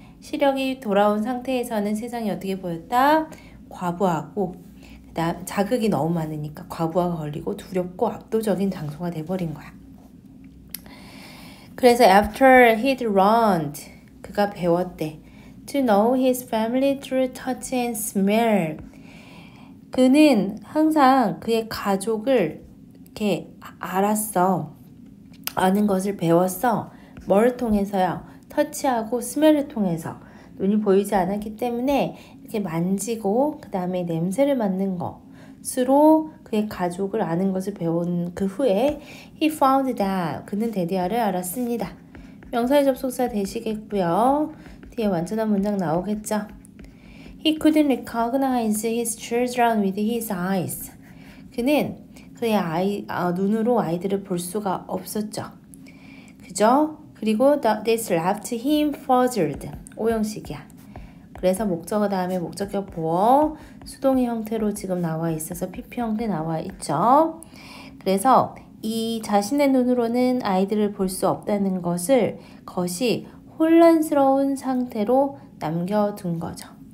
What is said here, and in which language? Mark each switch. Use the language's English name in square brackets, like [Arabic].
[Korean] 시력이 돌아온 상태에서는 세상이 어떻게 보였다? 과부하고, 그다음 자극이 너무 많으니까 과부하가 걸리고 두렵고 압도적인 장소가 돼버린 거야. 그래서 [English] after he'd learned, [Korean] 그가 배웠대. [English] To know his family through touch and smell. [Korean] 그는 항상 그의 가족을 이렇게 알았어. 아는 것을 배웠어. 뭘 통해서요? 터치하고 스멜을 통해서. 눈이 보이지 않았기 때문에 이렇게 만지고, 그 다음에 냄새를 맡는 것으로 그의 가족을 아는 것을 배운 그 후에, [English] he found that. [Korean] 그는 대디아를 알았습니다. 명사의 접속사 되시겠고요. 뒤에 완전한 문장 나오겠죠? [English] He couldn't recognize his children with his eyes. [Korean] 그는 눈으로 아이들을 볼 수가 없었죠. 그죠? [English] 그리고 this left him fuzzled. [Korean] 오형식이야. 그래서 목적어 다음에 목적격 보어 수동의 형태로 지금 나와 있어서 PP 형태 나와 있죠. 그래서 이 자신의 눈으로는 아이들을 볼수 없다는 것이 혼란스러운 상태로 남겨둔 거죠.